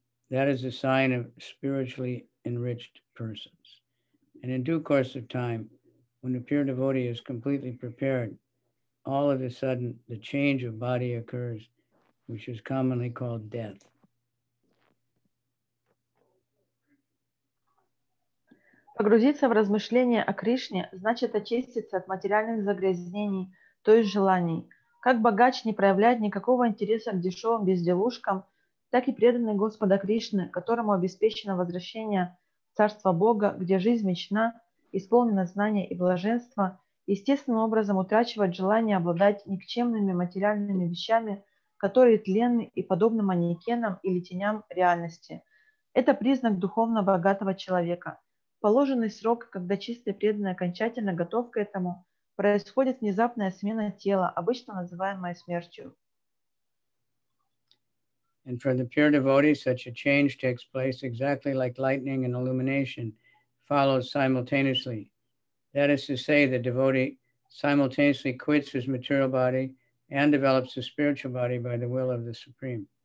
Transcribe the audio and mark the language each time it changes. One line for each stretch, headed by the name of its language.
English: That is a sign of spiritually enriched persons. And in due course of time, when a pure devotee is completely prepared, all of a sudden the change of body occurs, which is commonly called death.
Russian: Погрузиться в размышления о Кришне значит очиститься от материальных загрязнений, то есть желаний. Как богач не проявляет никакого интереса к дешевым безделушкам, так и преданный Господа Кришны, которому обеспечено возвращение Царства Бога, где жизнь вечна, исполнена знания и блаженства, естественным образом утрачивает желание обладать никчемными материальными вещами, которые тленны и подобны манекенам или теням реальности. Это признак духовно богатого человека. Положенный срок, когда чистый преданный окончательно готов к этому, происходит внезапная смена тела, обычно называемая смертью.
English: And for the pure devotee, such a change takes place exactly like lightning and illumination follows simultaneously. That is to say, the devotee simultaneously quits his material body and develops a spiritual body by the will of the Supreme.